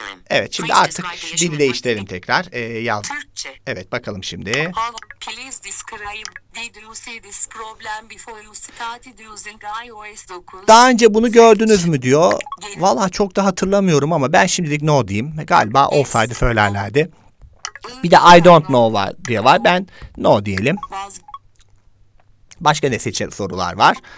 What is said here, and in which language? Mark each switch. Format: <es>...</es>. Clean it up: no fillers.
<tr>Evet, şimdi artık dili değiştirelim tekrar. Yaz. Türkçe. Evet, bakalım şimdi.</tr> <en>Please describe, did you see this problem before you started using iOS 9?</en> <tr>Daha önce bunu gördünüz mü diyor. Valla çok da hatırlamıyorum ama ben şimdilik no diyeyim. Galiba olsaydı söylerlerdi. Bir de</tr> <en>I don't know</en> <tr>var diye var. Ben no diyelim. Başka ne seçer sorular var?</tr>